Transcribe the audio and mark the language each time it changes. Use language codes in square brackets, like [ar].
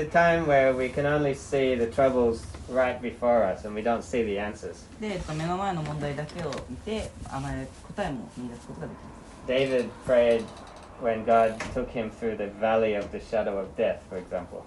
[en] It's a time where we can only see the troublesright before us and we don't see the answers. [ja] で、目の前の問題だけを見て、あまり答えも見出すことができない。 [en] David prayed when God took him through the valley of the shadow of death, for example.